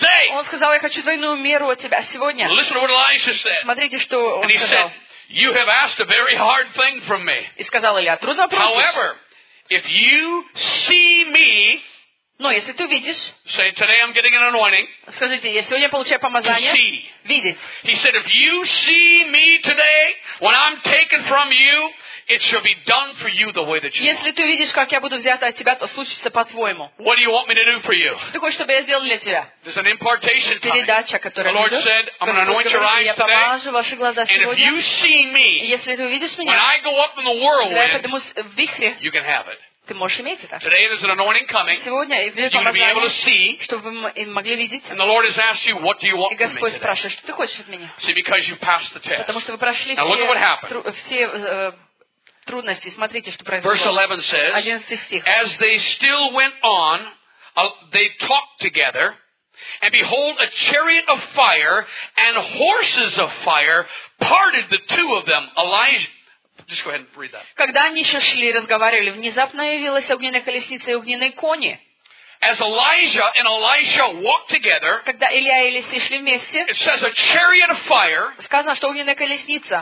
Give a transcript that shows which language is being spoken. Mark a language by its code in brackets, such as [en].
[ru] Он сказал, я хочу двойную меру от тебя сегодня. Смотрите, что он сказал. [en] You have asked a very hard thing from me. [ru] И сказал Илья, трудно просить. [en] However, if you see me, [ru] но если ты видишь, [en] say, today I'm getting an anointing, [ru] скажите, я сегодня получаю помазание, [en] to see. [ru] Видеть. [en] He said, if you see me today, when I'm taken from you, it shall be done for you the way that you want. [ru] Если ты видишь, как я буду взята от тебя, то случится по-твоему. [en] What do you want me to do for you? [ru] Ты хочешь, чтобы я сделал для тебя? [en] There's an impartation coming. [ru] Передача, которая идет. [en] The Lord said, I'm going to anoint your eyes today. [ru] Я помажу ваши глаза сегодня. [en] And if you see me, [ru] если ты увидишь меня, [en] when I go up in the whirlwind, you can have it. [ru] Ты можешь иметь это. [en] Today there's an anointing coming. [ru] Сегодня [en] you're going to be able to see. [ru] Чтобы вы могли видеть. [en] And the Lord has asked you, what do you want from me today? [ru] И Господь спрашивает, что ты хочешь от меня? [en] See, because you passed the test. [ru] Потому что вы прошли все. [en] Now look at what happened. [ru] Трудности. Смотрите, что произошло. 11 стих. [en] As they still went on, they talked together, and behold, a chariot of fire and horses of fire parted the two of them. Elijah, just go ahead and read that. [ru] Когда они еще шли и разговаривали, внезапно явилась огненная колесница и огненные кони. [en] As Elijah and Elisha walked together, [ru] когда Илья и Елисей шли вместе, [en] it says a chariot of fire, [ru] сказано, что огненная колесница,